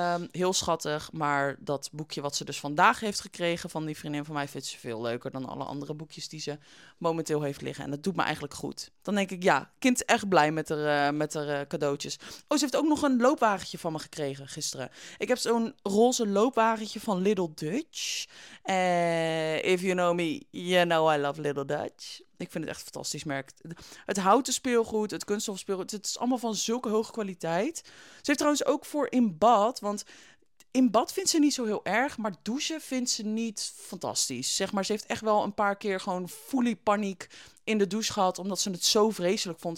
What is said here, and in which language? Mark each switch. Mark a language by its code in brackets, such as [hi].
[nl] Heel schattig, maar dat boekje wat ze dus vandaag heeft gekregen van die vriendin van mij vindt ze veel leuker dan alle andere boekjes die ze momenteel heeft liggen. En dat doet me eigenlijk goed. Dan denk ik, ja, kind is echt blij met haar cadeautjes. Oh, ze heeft ook nog een loopwagentje van me gekregen gisteren. Ik heb zo'n roze loopwagentje van Little Dutch. [en] If you know me, you know I love Little Dutch. [nl] Ik vind het echt een fantastisch merk. Het houten speelgoed, het kunststof speelgoed, het is allemaal van zulke hoge kwaliteit. Ze heeft trouwens ook voor in bad, want in bad vindt ze niet zo heel erg, maar douchen vindt ze niet fantastisch. Zeg maar, ze heeft echt wel een paar keer gewoon fully paniek in de douche gehad, omdat ze het zo vreselijk vond.